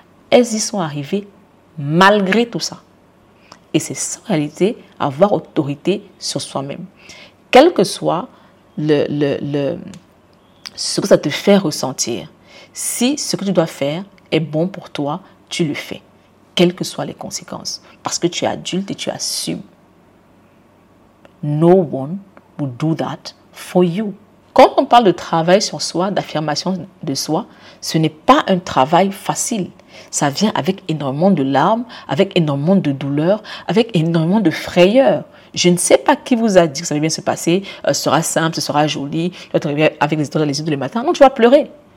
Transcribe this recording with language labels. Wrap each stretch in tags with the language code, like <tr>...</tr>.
<fr>Elles y sont arrivées malgré tout ça. Et c'est sans réalité avoir autorité sur soi-même. Quel que soit ce que ça te fait ressentir, si ce que tu dois faire est bon pour toi, tu le fais, quelles que soient les conséquences. Parce que tu es adulte et tu assumes.</fr> <en>No one will do that for you.</en> <fr>Quand on parle de travail sur soi, d'affirmation de soi, ce n'est pas un travail facile. Ça vient avec énormément de larmes, avec énormément de douleurs, avec énormément de frayeurs. Je ne sais pas qui vous a dit que ça va bien se passer, ce sera simple, ce sera joli, tu vas te réveiller avec les étoiles dans les yeux tous les matins. Non, tu vas pleurer.</fr>